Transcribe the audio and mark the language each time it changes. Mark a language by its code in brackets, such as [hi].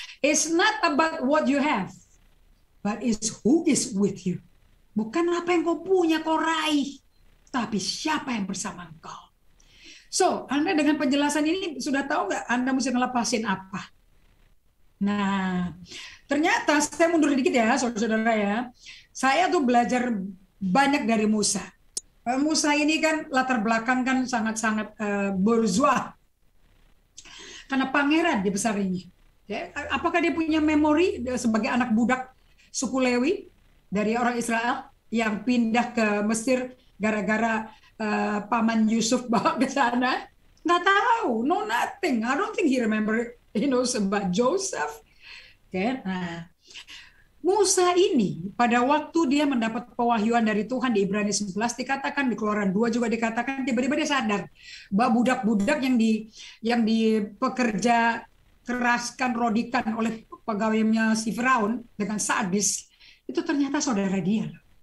[en] It's not about what you have, but it's who is with you. [id] Bukan apa yang kau punya, kau raih. Tapi siapa yang bersama engkau? [en] So, [id] Anda dengan penjelasan ini sudah tahu nggak Anda mesti ngelepasin apa? Nah, ternyata saya mundur sedikit ya, saudara-saudara ya. Saya tuh belajar banyak dari Musa. Musa ini kan latar belakang kan sangat-sangat berzuah. Karena pangeran dibesarinya. Ya, apakah dia punya memori sebagai anak budak suku Lewi dari orang Israel yang pindah ke Mesir gara-gara paman Yusuf bawa ke sana? Nggak tahu, [en] no nothing. I don't think he remember, he knows about Joseph. Okay. [id] Nah, Musa ini pada waktu dia mendapat pewahyuan dari Tuhan di Ibrani 11 dikatakan, di Keluaran 2 juga dikatakan, tiba-tiba dia sadar bahwa budak-budak yang pekerja keraskan, rodikan oleh pegawainya si Firaun dengan sadis, itu ternyata saudara dia.